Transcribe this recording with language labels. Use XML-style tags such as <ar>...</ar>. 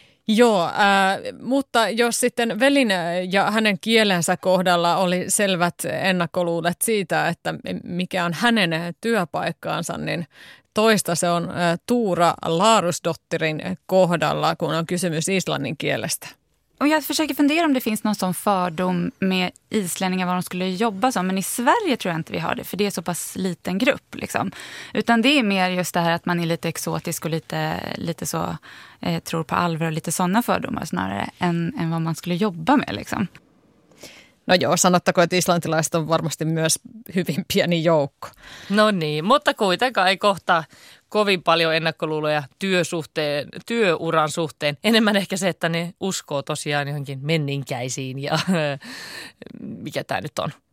<fi>Joo, mutta jos sitten velin ja hänen kielensä kohdalla oli selvät ennakkoluulet siitä, että mikä on hänen työpaikkaansa, niin toista se on Tuura Laarusdotterin kohdalla, kun on kysymys islannin kielestä.</fi> <sv>Och jag försöker fundera om det finns någon sån fördom med islänningar vad de skulle jobba som. Men i Sverige tror jag inte vi har det, för det är så pass liten grupp. Liksom. Utan det är mer just det här att man är lite exotisk och lite så tror på alver och lite sådana fördomar snarare än vad man skulle jobba med. Liksom.</sv> <fi>No joo, sanottako, että islantilaiset on varmasti myös hyvin pieni joukko. No niin, mutta kuitenkaan ei kohta kovin paljon ennakkoluuloja työuran suhteen. Enemmän ehkä se, että ne uskoo tosiaan johonkin menninkäisiin ja mikä tämä nyt on?</fi>